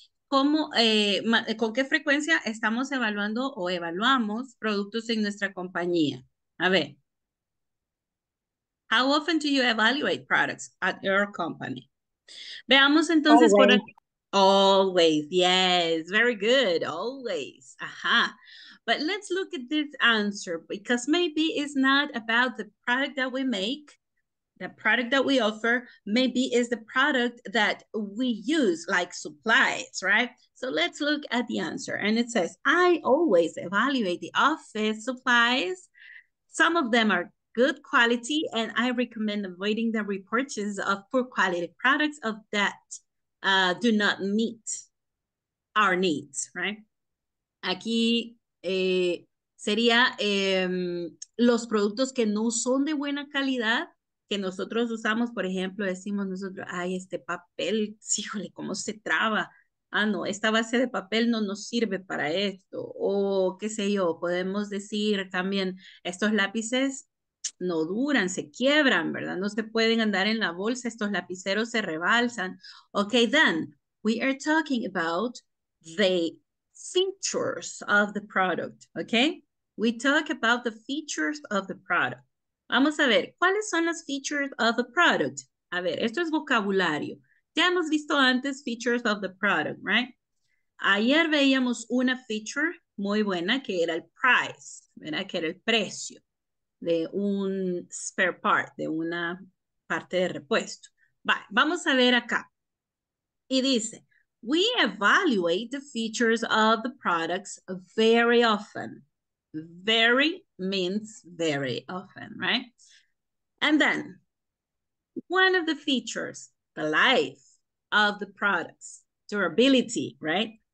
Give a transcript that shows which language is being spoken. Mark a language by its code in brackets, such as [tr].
[es] ¿Cómo, con qué frecuencia estamos evaluando o evaluamos productos en nuestra compañía? A ver. [en] How often do you evaluate products at your company? [es] Veamos entonces. [en] Always. Always, yes. Very good, always. Ajá. But let's look at this answer because maybe it's not about the product that we make, the product that we offer. Maybe it's the product that we use, like supplies, right? So let's look at the answer. And it says, I always evaluate the office supplies. Some of them are good quality, and I recommend avoiding the repurchase of poor quality products of that do not meet our needs, right? [es] Aquí. Sería los productos que no son de buena calidad, que nosotros usamos, por ejemplo, decimos nosotros, ay, este papel, híjole, cómo se traba. Ah, no, esta base de papel no nos sirve para esto. O qué sé yo, podemos decir también, estos lápices no duran, se quiebran, ¿verdad? No se pueden andar en la bolsa, estos lapiceros se rebalsan. [en] Okay, then, we are talking about the features of the product, okay? We talk about the features of the product. [es] Vamos a ver, ¿cuáles son las [en] features of the product? [es] A ver, esto es vocabulario. Ya hemos visto antes [en] features of the product, right? [es] Ayer veíamos una feature muy buena que era el price, ¿verdad? Que era el precio de un spare part, de una parte de repuesto. Vale, vamos a ver acá. Y dice, [en] we evaluate the features of the products very often. Very means very often, right? And then, one of the features, the life of the products, durability, right?